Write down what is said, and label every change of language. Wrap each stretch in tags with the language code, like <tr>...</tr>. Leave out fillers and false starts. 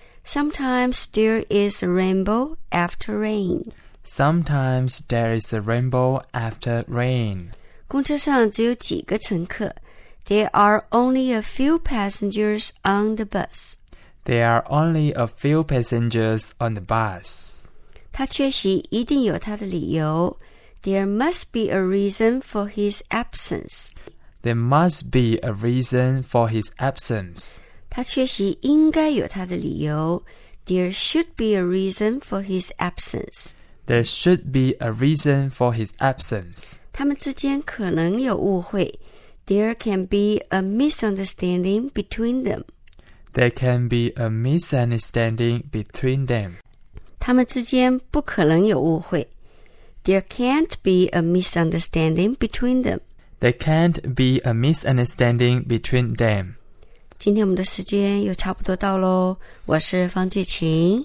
<en>Sometimes there is a rainbow after rain. Sometimes there is a rainbow after rain.</en> <zh>公车上只有几个乘客。</zh> <en>There are only a few passengers on the bus. There are only a few passengers on the bus.</en> <zh>他缺席一定有他的理由。</zh> <en>There must be a reason for his absence. There must be a reason for his absence.</en> <zh>他缺席应该有他的理由。</zh> <en>There should be a reason for his absence. There should be a reason for his absence.</en> <zh>他们之间可能有误会。</zh> <en>There can be a misunderstanding between them. There can be a misunderstanding between them.</en> <zh>他们之间不可能有误会。</zh> <en>There can't be a misunderstanding between them. There can't be a misunderstanding between them.</en> <zh>今天我们的时间又差不多到咯。我是方俊琴。</zh>